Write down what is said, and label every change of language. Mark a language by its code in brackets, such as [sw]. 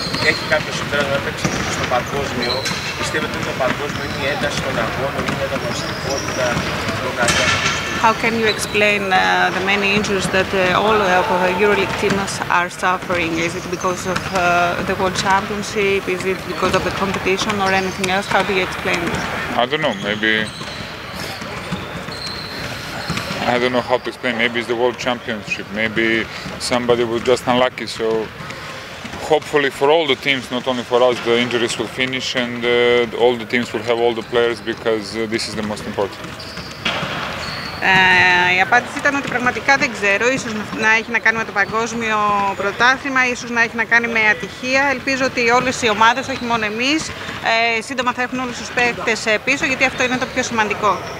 [el] Έχει κάποιο συμπέρασμα να παίξει στο παγκόσμιο. Πιστεύετε ότι το παγκόσμιο είναι η ένταση των αγώνων, είναι η ανταγωνιστικότητα, η λογαριασμό. [en] How can you explain the many injuries that all of the EuroLeague teams are suffering? Is it because of the World Championship? Is it because of the competition or anything else? How do you explain this? I don't know how to explain. Maybe it's the World Championship. Maybe somebody was just unlucky. So hopefully for all the teams, not only for us, the injuries will finish and all the teams will have all the players because this is the most important. [el] Η απάντηση ήταν ότι πραγματικά δεν ξέρω, ίσως να έχει να κάνει με το παγκόσμιο πρωτάθλημα, ίσως να έχει να κάνει με ατυχία. Ελπίζω ότι όλες οι ομάδες, όχι μόνο εμείς, σύντομα θα έχουν όλους τους παίκτες πίσω, γιατί αυτό είναι το πιο σημαντικό.